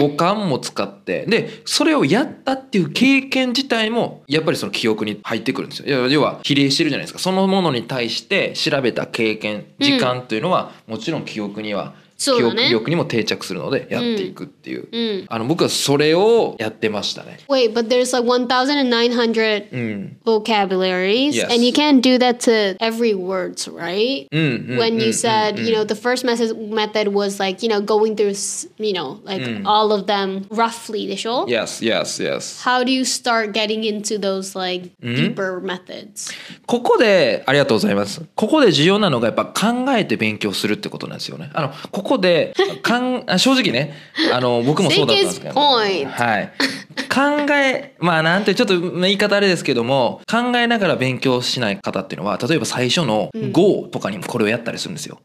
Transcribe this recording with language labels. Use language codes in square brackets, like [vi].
[ja] 五感も使って、でそれをやったっていう経験自体もやっぱりその記憶に入ってくるんですよ。要は比例してるじゃないですか。そのものに対して調べた経験時間というのはもちろん記憶には、そうだね、記憶力にも定着するのでやっていくっていう、うん、僕はそれをやってましたね。 [en] Wait, but there's like 1,900 vocabularies、 yes. and you can't do that to every words, right?、When you said,、you know, the first method was like, you know, going through, you know, like、all of them roughly, [ja] でしょ? [en] Yes, yes, yes. How do you start getting into those like deeper methods? [ja] ここでありがとうございます。ここで重要なのがやっぱ考えて勉強するってことなんですよね。ここで正直ね、僕もそうだったんですけど、はい、考え、まあなんてちょっと言い方あれですけども、考えながら勉強しない方っていうのは、例えば最初の Go とかにもこれをやったりするんですよ、